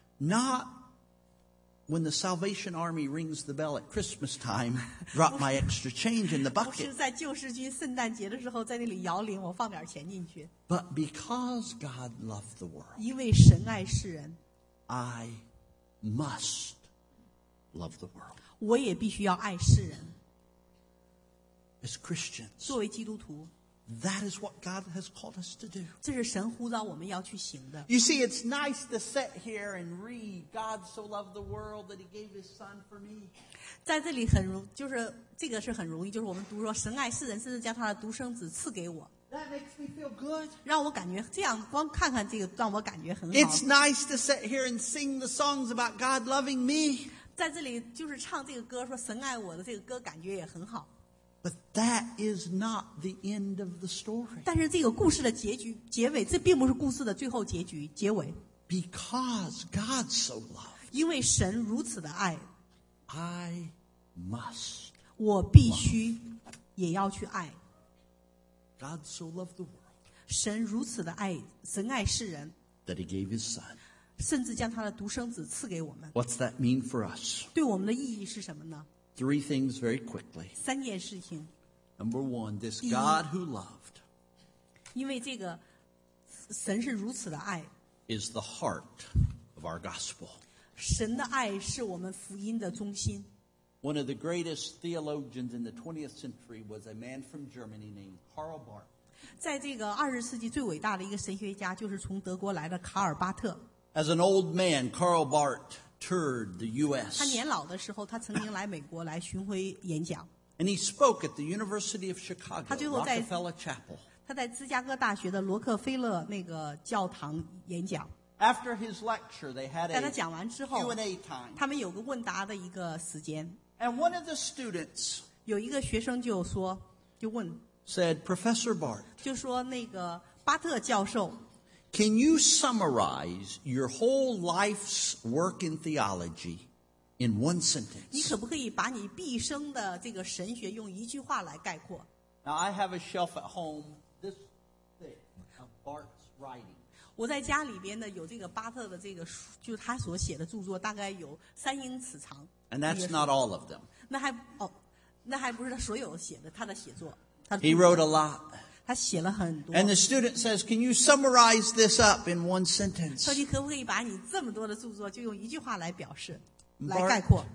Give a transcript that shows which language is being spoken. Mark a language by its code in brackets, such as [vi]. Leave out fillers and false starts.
[en] Not When the Salvation Army rings the bell at Christmas time, drop my extra change in the bucket. [zh] 我是在救世军圣诞节的时候在那里摇铃，我放点钱进去。 [en] But because God loved the world, [zh] 因为神爱世人 [en] I must love the world. [zh] 我也必须要爱世人。 [en] As Christians, [zh] 作为基督徒 [en] that is what God has called us to do. [zh] 这是神呼召我们要去行的。 [en] You see, it's nice to sit here and read. God so loved the world that He gave His Son for me. [zh] 在这里很容，就是这个是很容易，就是我们读说神爱世人，甚至将他的独生子赐给我。 [en] That makes me feel good. [zh] 让我感觉这样，光看看这个让我感觉很好。 [en] It's nice to sit here and sing the songs about God loving me. [zh] 在这里就是唱这个歌，说神爱我的这个歌，感觉也很好。 [en] But that is not the end of the story. [zh] 但是这个故事的结局结尾，这并不是故事的最后结局结尾。 [en] Because God so loved, [zh] 因为神如此的爱 [en] ，I must, [zh] 我必须也要去爱。 [en] God so loved the world, [zh] 神如此的爱，神爱世人 [en] ，that He gave His Son, [zh] 甚至将他的独生子赐给我们。 [en] What's that mean for us? [zh] 对我们的意义是什么呢？ [en] Three things very quickly. [zh] 三件事情 [en] Number one, this God who loved. [zh] 因为这个神是如此的爱 [en] is the heart of our gospel. [zh] 神的爱是我们福音的中心 [en] One of the greatest theologians in the 20th century was a man from Germany named Karl Barth. [zh] 在这个二十世纪最伟大的一个神学家就是从德国来的卡尔巴特 [en] As an old man, Karl Barth. Toured the U.S. [zh] 他年老的时候，他曾经来美国来巡回演讲。 [en] And he spoke at the University of Chicago. [zh] 他最后在 [en] Rockefeller Chapel. [zh] 他在芝加哥大学的罗克菲勒那个教堂演讲。 [en] After his lecture, they had a Q&A time. [zh] 他们有个问答的一个时间。 [en] And one of the students [zh] 有一个学生就说，就问 [en] said, Professor Bart, [zh] 就说那个巴特教授 [en] can you summarize your whole life's work in theology in one sentence? [zh] 你可不可以把你毕生的这个神学用一句话来概括？ [en] Now I have a shelf at home this thick of Bart's writing. [zh] 我在家里边呢有这个巴特的这个书，就是他所写的著作大概有三英尺长。 [en] And that's not all of them. [zh] 那还、哦、那还不是他所有写的他的写作。他的 [en] He wrote a lot. [zh] 他写了很多。 [en] And the student says, can you summarize this up in one sentence? [zh] 说你可不可以把你这么多的著作就用一句话来表示来概括。